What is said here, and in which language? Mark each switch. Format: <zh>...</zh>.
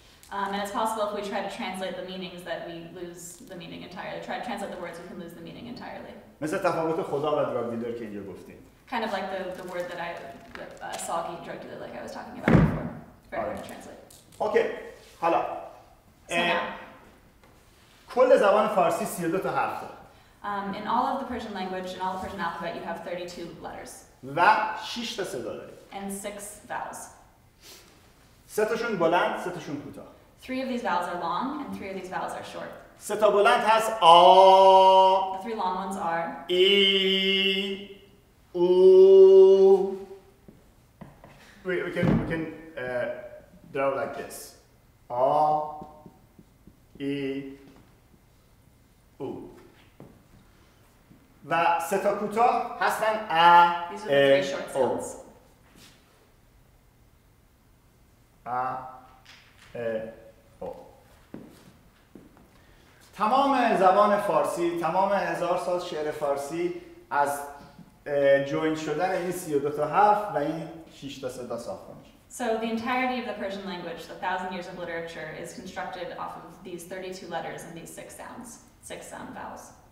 <en>And it's possible if we try to translate the meanings that we lose the meaning entirely. Try to translate the words, we can lose the meaning entirely.</en> <fa>مثل تفاوت خدا و دراگ دیلر که اینجا گفتیم.</fa> <en>Kind of like the word that I soggy drug dealer like I was talking about before.</en> <fa>Okay, حالا کل زبان فارسی 32 تا حرف داره.</fa> <en>In all of the Persian language, in all the Persian alphabet, you have 32 letters.</en> <fa>و 6 تا صدا داره.</fa> <en>And 6 vowels.</en> <fa>3 تاشون بلند، 3 تاشون کوتاه.</fa> <en>3 of these vowels are long and 3 of these vowels are short.</en> <fa>3 تا بلند هست آ.</fa> <en>The 3 long ones are</en> <fa>ای او.</fa> <en>We can draw like this. A, E, O.</en> <fa>و سه تا کوتاه هستن ا</fa> <en>These are the three short sounds.</en> <fa>ا ا او تمام زبان فارسی تمام هزار سال شعر فارسی از جوین شدن این 32 تا حرف و این 6 تا صدا ساخته میشه.</fa> <en>So the entirety of the Persian language, the thousand years of literature, is constructed off of these 32 letters and these six sounds, six sound vowels.</en>